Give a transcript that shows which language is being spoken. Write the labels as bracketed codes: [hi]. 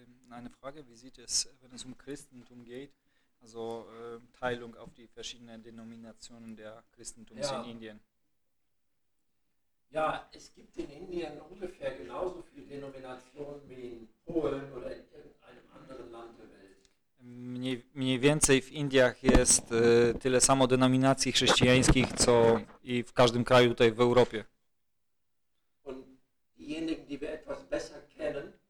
[de] Eine Frage, wie sieht es, wenn es um Christentum geht, also Teilung auf die verschiedenen Denominationen der Christentums in Indien? Ja, es gibt in Indien ungefähr genauso viele Denominationen wie in Polen oder in irgendeinem anderen Land der Welt. [pl] Mniej więcej w Indiach jest tyle samo denominacji chrześcijańskich, co i w każdym kraju tutaj w Europie. [de] Und diejenigen, die wir etwas besser kennen,